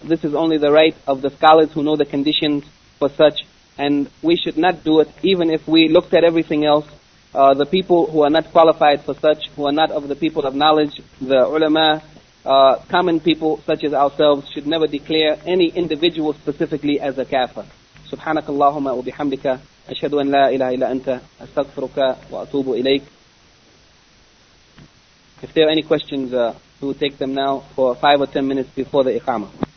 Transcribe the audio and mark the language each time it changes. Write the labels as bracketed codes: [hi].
[en] This is only the right of the scholars who know the conditions for such. And we should not do it, even if we looked at everything else. The people who are not qualified for such, who are not of the people of knowledge, the ulama, common people such as ourselves, should never declare any individual specifically as a kafir. [ar] سبحانك اللهم وبحمدك أشهد أن لا إله إلا أنت أستغفرك وأتوب إليك. [en] If there are any questions, we will take them now for 5 or 10 minutes before the Iqamah.